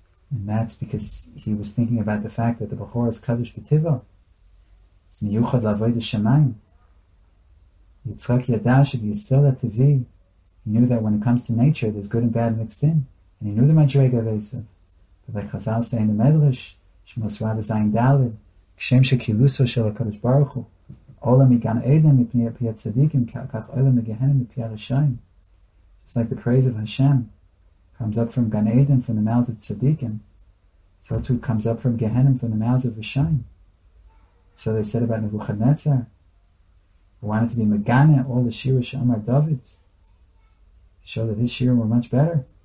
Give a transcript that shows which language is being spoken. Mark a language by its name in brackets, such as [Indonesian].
[English] And that's because he was thinking about the fact that the Bechor is Kadosh B'Tivo. It's miyuchad l'avoid ha-shamayim. Yitzchak yadash of Yisrael ha-tivi. He knew that when it comes to nature, there's good and bad mixed in. And he knew the Madrega of Esav. [Hebrew] וחז"ל סיין המדרש, שמוסרה בזין דלת, כשם שקילוסו של הקדוש ברוך הוא, עולה מגן עדן מפני פי הצדיקים, כך עולה מגהנם מפי הרשעים. [English] It's like the praise of Hashem comes up from Gan Eden from the mouths of Tzaddikim, so too comes up from Gehenim from the mouths of Rishayim. So they said about Nebuchadnezzar, who wanted to be Megane all the Shirah Shamar David, to show that his Shirah were much better.